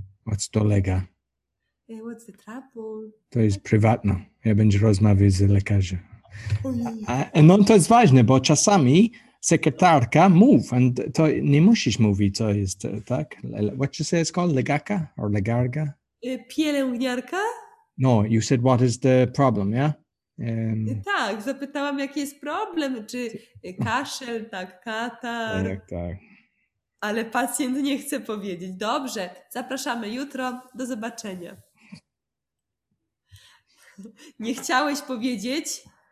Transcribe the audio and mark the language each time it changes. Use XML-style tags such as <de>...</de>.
<en>What's dolega? What's the trouble?</en> <pl>To jest prywatne. Ja będę rozmawiać z lekarzem. No to jest ważne, bo czasami sekretarka mów, and to nie musisz mówić, co jest, tak?</pl> <en>What you say it's called? Legaka? Or legarga?</en> <pl>Pielęgniarka?</pl> <en>No, you said what is the problem, yeah?</en> <pl>Tak, zapytałam, jaki jest problem, czy kaszel, tak, katar. Tak. Ale pacjent nie chce powiedzieć. Dobrze, zapraszamy jutro. Do zobaczenia. Nie chciałeś powiedzieć?</pl>